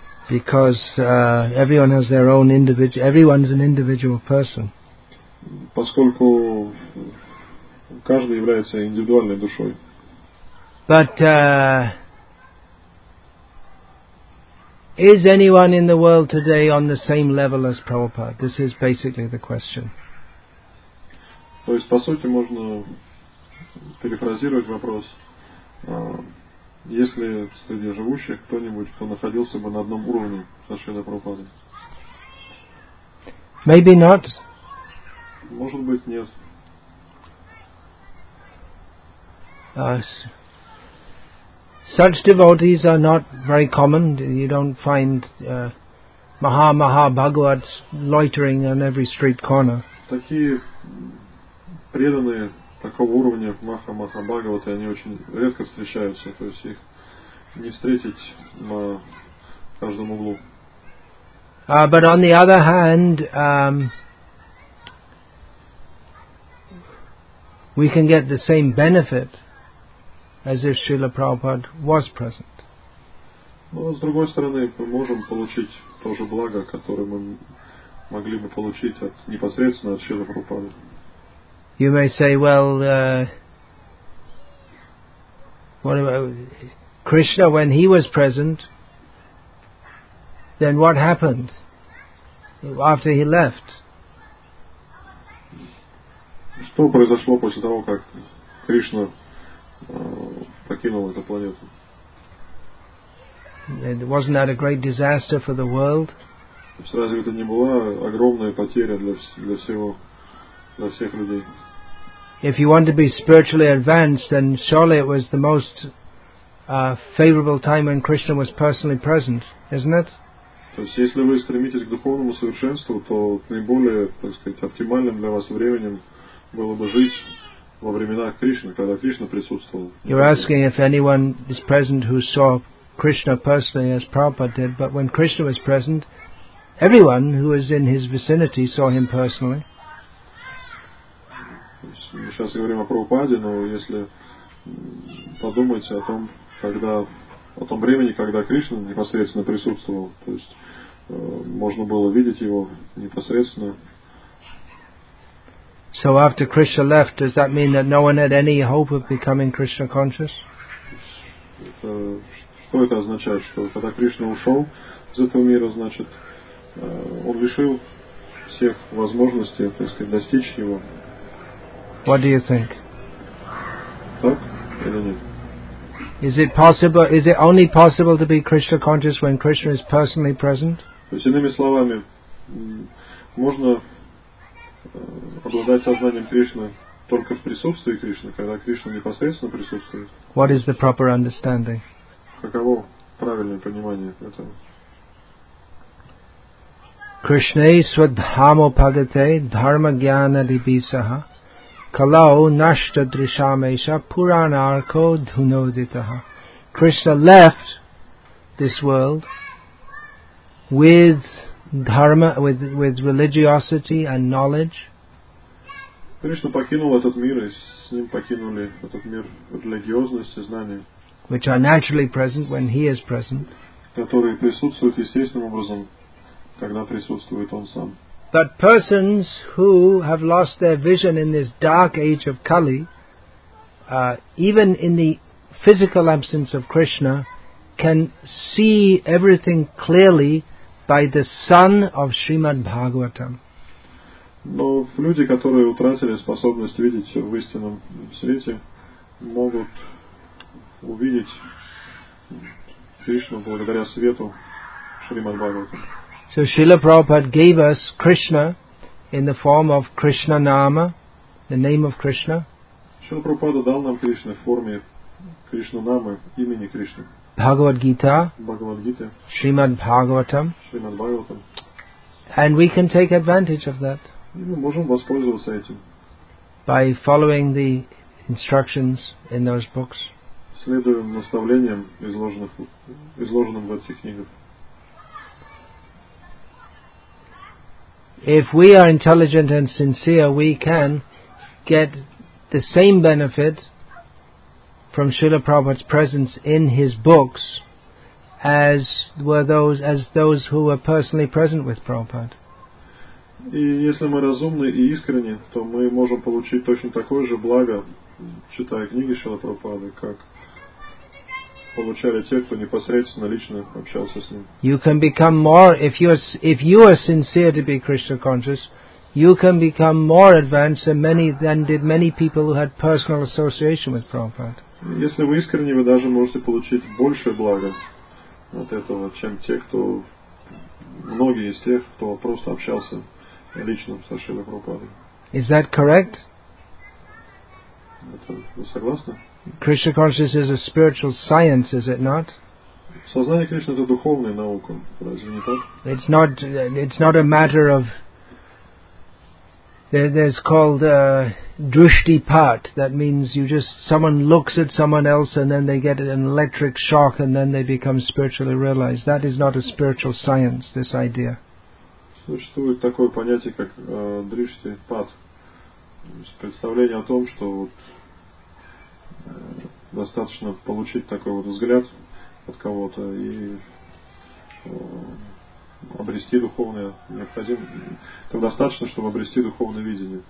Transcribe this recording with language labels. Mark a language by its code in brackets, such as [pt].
[en] Because everyone has their own individual. Everyone's an individual person. [ru] Поскольку каждый является индивидуальной душой. [en] But is anyone in the world today on the same level as Prabhupada? This is basically the question. [ru] То есть, по сути, можно перефразировать вопрос. Если среди живущих кто-нибудь, кто находился бы на одном уровне со Шрилой Прабхупадой? [en] Maybe not. [ru] Может быть, нет. [en] Such devotees are not very common. You don't find Maha Bhagavats loitering on every street corner. [ru] Такие преданные такого уровня Маха Бхагаваты, они очень редко встречаются, то есть их не встретить на каждом углу. [en] But on the other hand, we can get the same benefit as if Srila Prabhupada was present. [ru] Но с другой стороны, мы можем получить то же благо, которое мы могли бы получить от, непосредственно от Шрилы Прабхупады. [en] You may say, well, what about Krishna, when he was present, then what happened after he left? [ru] Что произошло после того, как Кришна покинул эту планету? [en] Wasn't that a great disaster for the world? [ru] Разве это не была огромная потеря для всего, для всех людей? [en] If you want to be spiritually advanced, then surely it was the most favorable time when Krishna was personally present, isn't it? [ru] То есть, если вы стремитесь к духовному совершенству, то наиболее, так сказать, оптимальным для вас временем было бы жить во времена Кришны, когда Кришна присутствовал. [en] You're asking if anyone is present who saw Krishna personally as Prabhupada did, but when Krishna was present, everyone who was in his vicinity saw him personally. [ru] Мы сейчас говорим о Прабхупаде, но если подумать о том, когда, о том времени, когда Кришна непосредственно присутствовал, то есть можно было видеть его непосредственно. [en] So after Krishna left, does that mean that no one had any hope of becoming Krishna conscious? [ru] Что это означает, что когда Кришна ушел из этого мира, значит, он лишил всех возможности, то есть, достичь его? [en] What do you think? [ru] Так или нет? [en] Is it possible? Is it only possible to be Krishna conscious when Krishna is personally present? [ru] То есть, иными словами, можно обладать сознанием Кришны только в присутствии Кришны, когда Кришна непосредственно присутствует? [en] What is the proper understanding? [ru] Каково правильное понимание этого? [sa] Krishna svadhamo pagate dharma gyana libisaha. Kalau nashta drishamesha puranarko dhunoditaha. [en] Krishna left this world with dharma, with religiosity and knowledge. [ru] Krishna покинул этот мир, и с ним покинули этот мир религиозность и знания, [en] which are naturally present when he is present. [ru] Которые присутствуют естественным образом, когда присутствует он сам. [en] But persons who have lost their vision in this dark age of Kali, even in the physical absence of Krishna, can see everything clearly by the sun of Srimad Bhagavatam. [ru] Но люди, которые утратили способность видеть все в истинном свете, могут увидеть Кришну благодаря свету Шримад Бхагаватам. [en] So Srila Prabhupada gave us Krishna in the form of Krishna Nama, the name of Krishna. [ru] Srila Prabhupada дал нам Кришну в форме Кришна Нама, имени Кришны. [en] Bhagavad-gita, [ru] Bhagavad-gita, [en] Srimad Bhagavatam. [ru] Srimad Bhagavatam. [en] And we can take advantage of that. [ru] Мы можем воспользоваться этим. [en] By following the instructions in those books. [ru] Следуем наставлениям, изложенным в этих книгах. [en] If we are intelligent and sincere, we can get the same benefit from Srila Prabhupada's presence in his books as those who were personally present with Prabhupada. [ru] И если мы разумны и искренни, то мы можем получить точно такое же благо, читая книги Шрилы Прабхупады, как получали те, кто непосредственно лично общался с ним. [en] You can become more, if you are sincere to be Krishna conscious, you can become more advanced than did many people who had personal association with Prabhupada. [ru] Если вы искренни, вы даже можете получить больше блага от этого, чем те, кто, многие из тех, кто просто общался лично со Шрилой Прабхупадой. [en] Is that correct? [ru] Это, вы согласны? [en] Krishna consciousness is a spiritual science, is it not? [ru] Сознание Кришны – это духовная наука, разве не так? [en] It's not a matter of... There's called drushtipat. That means someone looks at someone else and then they get an electric shock and then they become spiritually realized. That is not a spiritual science, this idea. [ru] Существует такое понятие, как drushtipat. Представление о том, что достаточно получить такой вот взгляд от кого-то и обрести духовное необходимое, то достаточно, чтобы обрести духовное видение.